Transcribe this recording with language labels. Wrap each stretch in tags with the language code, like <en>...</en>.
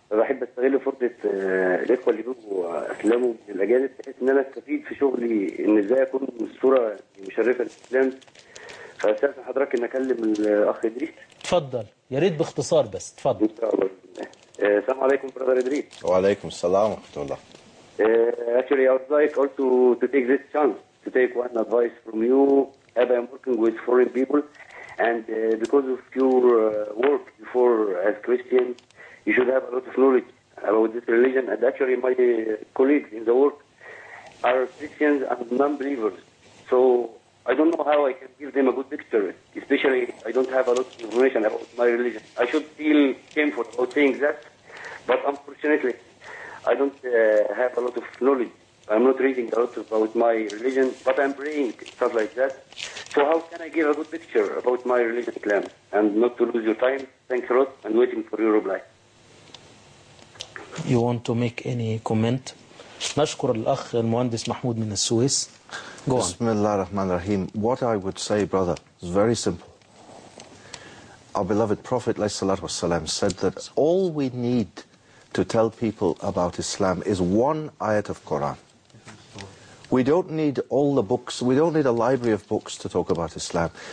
<ar>بحب أستغل فرصة الإخوة اللي بيجوا أفلامهم من الأجانب بحيث إن أنا أستفيد في شغلي، إن إزاي أكون صورة مشرفة للإسلام. فأستأذن حضرتك إن أكلم الأخ إدريس. تفضل، يا ريت باختصار بس، تفضل. إن شاء الله. السلام عليكم برادر إدريس. وعليكم السلام ورحمة الله.</ar> <en>Actually, I would like also to take this chance to take one advice from you. As I'm working with foreign people, and because of your work before as Christian, you should have a lot of knowledge about this religion. And actually, my colleagues in the work are Christians and non-believers. So I don't know how I can give them a good picture, especially I don't have a lot of information about my religion. I should feel shameful about saying that, but unfortunately, I don't have a lot of knowledge. I'm not reading a lot about my religion, but I'm praying, stuff like that. So how can I give a good picture about my religion, Islam? And not to lose your time, thanks a lot, and waiting for your reply. You want to make any comment?</en> <ar>نشكر الأخ المهندس محمود من السويس.</ar> <en>Go on.</en> <ar>Bismillah ar-Rahman ar-Rahim.</ar> <en>What I would say, brother, is very simple. Our beloved Prophet, alayhi salatu wasalam, said that all we need to tell people about Islam is one ayat of Quran. We don't need all the books. We don't need a library of books to talk about Islam.</en>